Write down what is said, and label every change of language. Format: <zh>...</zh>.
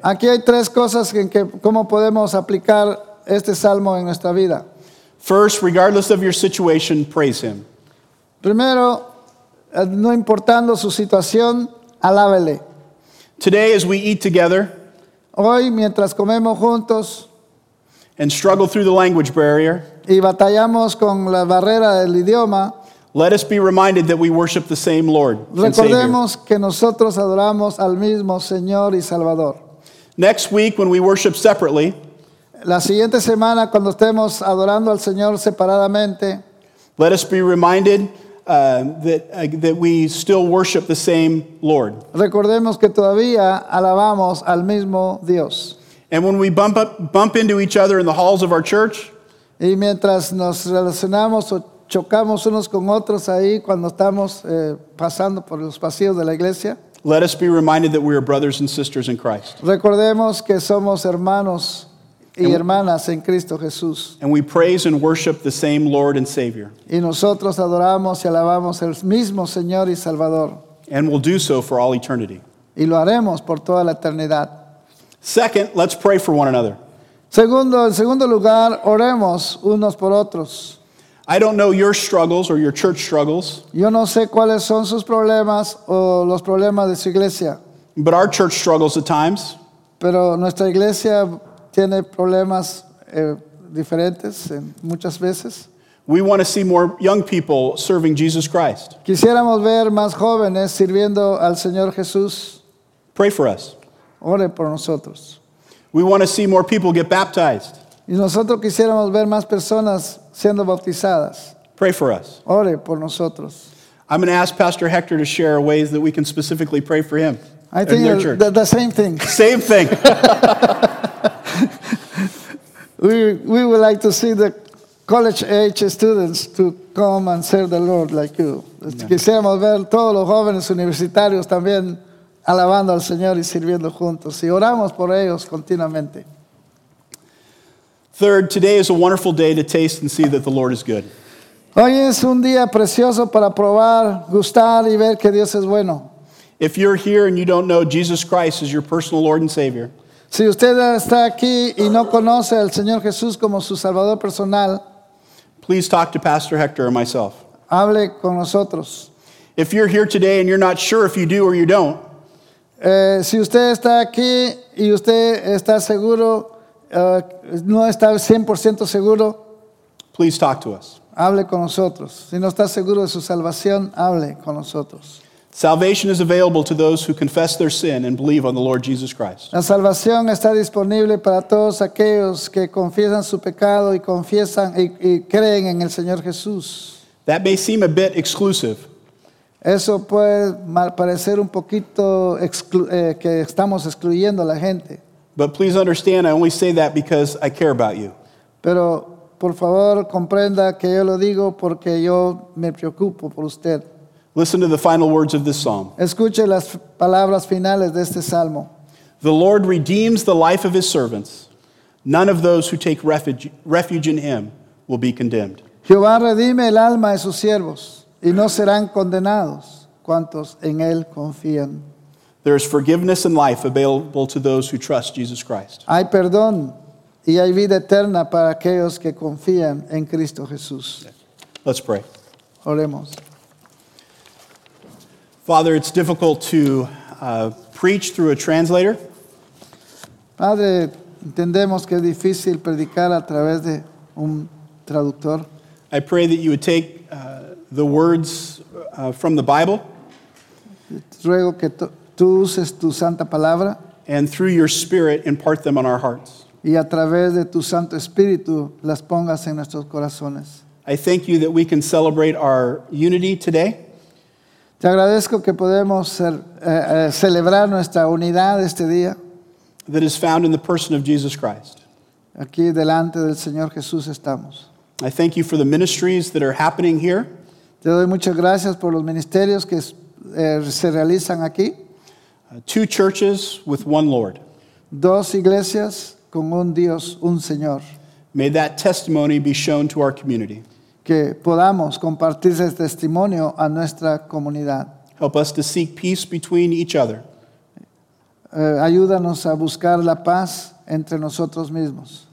<es>Aquí hay tres cosas en que cómo podemos aplicar este salmo en nuestra vida.</es> <en>First, regardless of your situation, praise him.</en> <es>Primero, no importando su situación, alábele.</es> <en>Today, as we eat together,</en> <es>Hoy, mientras comemos juntos,</es> <en>and struggle through the language barrier,</en> <es>y batallamos con la barrera del idioma,</es> <en>let us be reminded that we worship the same Lord and</en> <es>recordemos</es> <en>Savior.</en> <es>Que nosotros adoramos al mismo Señor y Salvador.</es> <en>Next week, when we worship separately,</en> <es>la siguiente semana, cuando estemos adorando al Señor separadamente,</es> <en>let us be reminded that we still worship the same Lord.</en> <es>Recordemos que todavía alabamos al mismo Dios.</es> <en>And when we bump into each other in the halls of our church,</en> <es>y mientras nos relacionamos o chocamos unos con otros ahí cuando estamos pasando por los pasillos de la iglesia,</es> <en>let us be reminded that we are brothers and sisters in Christ.</en> <es>Recordemos que somos hermanos y hermanas en Cristo Jesús.</es> <en>And we praise and worship the same Lord and Savior.</en> <es>Y nosotros adoramos y alabamos el mismo Señor y Salvador.</es> <en>And we'll do so for all eternity.</en> <es>Y lo haremos por toda la eternidad.</es> <en>Second, let's pray for one another.</en> <es>En segundo lugar, oremos unos por otros.</es> <en>I don't know your struggles or your church struggles.</en> <es>Yo no sé cuáles son sus problemas o los problemas de su iglesia.</es> <en>But our church struggles at times.</en> <es>Pero nuestra iglesia tiene problemas diferentes muchas veces.</es> <en>We want to see more young people serving Jesus Christ.</en> <es>Quisiéramos ver más jóvenes sirviendo al Señor Jesús.</es> <en>Pray for us.</en> <es>Ore por nosotros.</es> <en>We want to see more people get baptized.</en> <es>Y nosotros quisiéramos ver más personas siendo bautizadas.</es> <en>Pray for us.</en> <es>Ore por nosotros.</es> <en>I'm going to ask Pastor Hector to share ways that we can specifically pray for him. I think in their church. The same thing. Same thing. We would like to see the college age students to come and serve the Lord like you. Yeah.</en> <es>Quisiéramos ver todos los jóvenes universitarios también alabando al Señor y sirviendo juntos. Y oramos por ellos continuamente.</es> <en>Third, today is a wonderful day to taste and see that the Lord is good.</en> <es>Hoy es un día precioso para probar, gustar y ver que Dios es bueno.</es> <en>If you're here and you don't know Jesus Christ as your personal Lord and Savior,</en> <es>si usted está aquí y no conoce al Señor Jesús como su Salvador personal,</es> <en>please talk to Pastor Hector or myself.</en> <es>Hable con nosotros.</es> <en>If you're here today and you're not sure if you do or you don't,</en> <es>si usted está aquí y usted está seguro, no está 100% seguro,</es> <en>please talk to us.</en> <es>Hable con nosotros. Si no está seguro de su salvación, hable con nosotros.</es> <en>Salvation is available to those who confess their sin and believe on the Lord Jesus Christ.</en> <es>La salvación está disponible para todos aquellos que confiesan su pecado y confiesan y creen en el Señor Jesús.</es> <en>That may seem a bit exclusive.</en> <es>Eso puede parecer un poquito que estamos excluyendo a la gente.</es> <en>But please understand, I only say that because I care about you.</en> <es>Pero por favor comprenda que yo lo digo porque yo me preocupo por usted.</es> <en>Listen to the final words of this psalm.</en> <es>Escuche las palabras finales de este salmo.</es> <en>The Lord redeems the life of his servants. None of those who take refuge in him will be condemned.</en> <es>Jehová redime el alma de sus siervos, y no serán condenados cuantos en él confían.</es> <en>There is forgiveness and life available to those who trust Jesus Christ.</en> <es>Hay perdón y hay vida eterna para aquellos que confían en Cristo Jesús.</es> <en>Let's pray.</en> <es>Oremos.</es> <en>Father, it's difficult to preach through a translator.</en> <es>Padre, entendemos que es difícil predicar a través de un traductor.</es> <en>I pray that you would take the words from the Bible.</en> <es>Ruego que tú uses tu santa palabra.</es> <en>And through your Spirit, impart them on our hearts.</en> <es>Y a través de tu santo espíritu, las pongas en nuestros corazones.</es> <en>I thank you that we can celebrate our unity today.</en> <es>Te agradezco que podemos celebrar nuestra unidad este día.</es> <en>That is found in the person of Jesus Christ.</en> <es>Aquí delante del Señor Jesús estamos.</es> <en>I thank you for the ministries that are happening here.</en> <es>Te doy muchas gracias por los ministerios que se realizan aquí.</es> <en>Two churches with one Lord.</en> <es>Dos iglesias con un Dios, un Señor.</es> <en>May that testimony be shown to our community.</en> <es>Que podamos compartir ese testimonio a nuestra comunidad.</es> <en>Help us to seek peace between each other.</en> <es>Ayúdanos a buscar la paz entre nosotros mismos.</es>